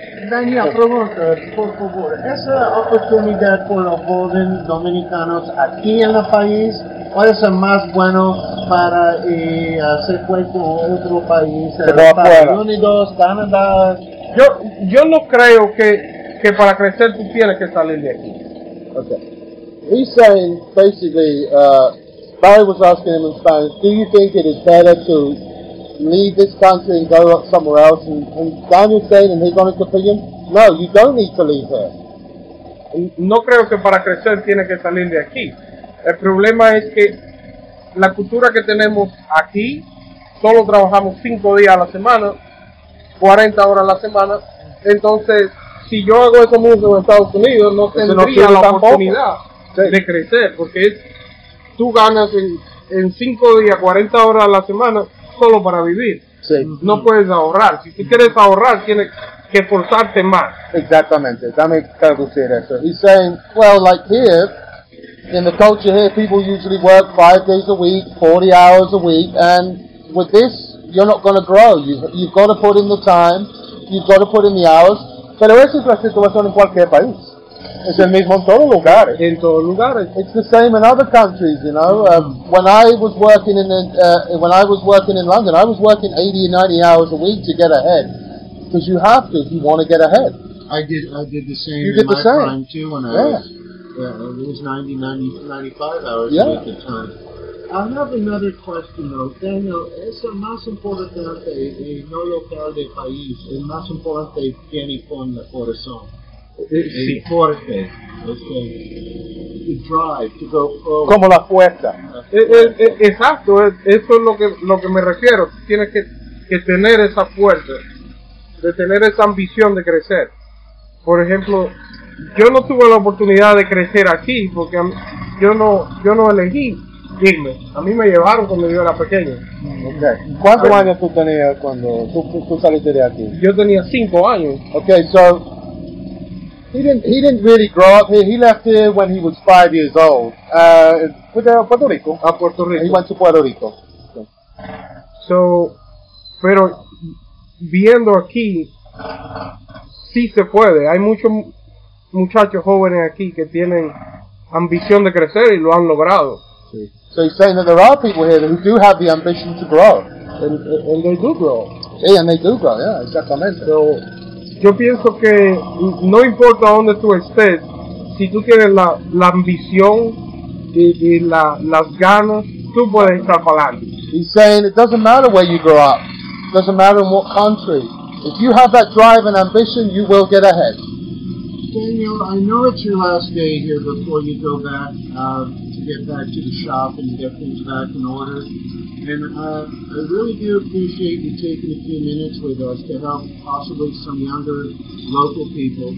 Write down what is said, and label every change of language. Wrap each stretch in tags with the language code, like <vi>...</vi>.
<es>Daniel, pregunta, por favor, ¿es la oportunidad con los jóvenes dominicanos aquí en el país? ¿O es el más bueno para hacer cuento en otro país? ¿Estados Unidos, Canadá? Yo no creo que para crecer tú tienes que salir de aquí.</es> <en>Okay. He's saying, basically, Barry was asking him in Spanish, do you think it is better to leave this country and go up somewhere else? And Daniel's saying, in his honest opinion, no, you don't need to leave here.</en> <es>No creo que para crecer tienes que salir de aquí. El problema es que la cultura que tenemos aquí, solo trabajamos 5 días a la semana, 40 horas a la semana. Entonces, si yo hago eso mucho en Estados Unidos, no tendría la oportunidad de crecer, porque es, tú ganas en 5 días 40 horas a la semana solo para vivir. Sí. No puedes ahorrar. Si tú quieres ahorrar, tienes que esforzarte más. Exactamente. Dame traducir eso.</es> <en>He's saying, well, like here, in the culture here, people usually work 5 days a week, 40 hours a week, and with this, you're not going to grow. You've got to put in the time, you've got to put in the hours.</en> <es>Pero esa es la situación en cualquier país. Es el mismo en todos lugares. En todos lugares.</es> <en>It's the same in other countries, you know. When I was working in London, I was working 80 or 90 hours a week to get ahead. Because you have to if you want to get ahead. I did the same. You did the my same. Prime too when I was 90, 90, 95 hours at the time. I have another question though, Daniel.</en> <es>Es el más importante y no local del país. El más importante tiene con el corazón. Sí. El fuerte. Okay.</es> <en>El drive to go forward.</en> <es>Como la fuerza. Exacto. Eso es lo que me refiero. Tienes que tener esa fuerza, de tener esa ambición de crecer. Por ejemplo, yo no tuve la oportunidad de crecer aquí porque yo no elegí. Dime, a mí me llevaron cuando yo era pequeño.</es> <en>Okay.</en> <es>¿Cuántos años tú tenías cuando tú saliste de aquí? Yo tenía 5 años.</es> <en>Okay, so he didn't really grow up here. He left here when he was 5 years old.</en> <es>¿Fue a Puerto Rico? A Puerto Rico.</es> <en>He went to Puerto Rico. Okay.</en> <es>So, pero viendo aquí, sí se puede. Hay muchos muchachos jóvenes aquí que tienen ambición de crecer y lo han logrado.</es> <en>So he's saying that there are people here who do have the ambition to grow. And they do grow. So Yeah, and they do grow, yeah, exactamente.</en> <es>So, yo pienso que no importa donde tú estés, si tú tienes la, la ambición y la, las ganas, tú puedes estar parando.</es> <en>He's saying it doesn't matter where you grow up, doesn't matter in what country. If you have that drive and ambition, you will get ahead. Daniel, I know it's your last day here before you go back to get back to the shop and get things back in order. And I really do appreciate you taking a few minutes with us to help possibly some younger local people.</en>